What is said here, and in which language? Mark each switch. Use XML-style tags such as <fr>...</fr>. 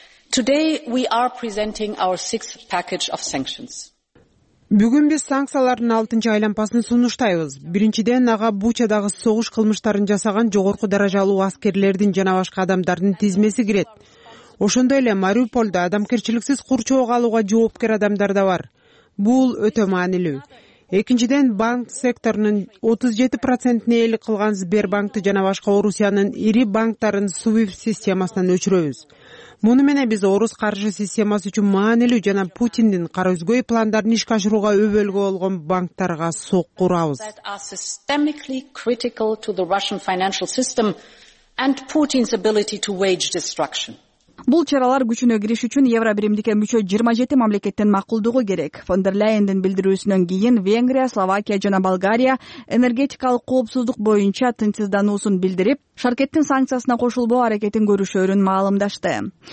<en>Today we are presenting our 6th package of sanctions.</en> <ky>Бүгүн биз санкциялардын 6-чы айлампасын сунуштайбыз. Биринчиден ага Бучадагы согуш кылмыштарын жасаган жогорку даражалуу аскерлердин жана башка адамдардын тизмеси кирет. Ошондой эле Мариуполда адамкерчиликсиз курчоо калууга жоопкер адамдар да бар. Бул өтө маанилүү. Экинчиден банк секторунун 37% эл кылган Сбербанкты жана башка Орусиянын ири банктарын SWIFT системасынан өчүрөбүз. Муну менен биз орус каржы системасы үчүн маанилүү жана Путиндин кара өзгөй пландарын ишке ашырууга өбөлгө болгон банктарга сокку урабыз.</ky> <en>Systemically critical to the Russian financial system and Putin's ability to wage destruction.</en> <ky>Бул чаралар күчүнө кириш үчүн Евро биримдикке мүчө 27 мамлекеттин макулдугу керек. Фон дер Ляйендин билдирүүсүнөн кийин Венгрия, Словакия жана Болгария энергетикалык коопсуздук боюнча тынчсыздануусун билдирип, Шаркеттин санкциясына кошулбоо аракетин көрүшөрүн маалымдашты.</ky>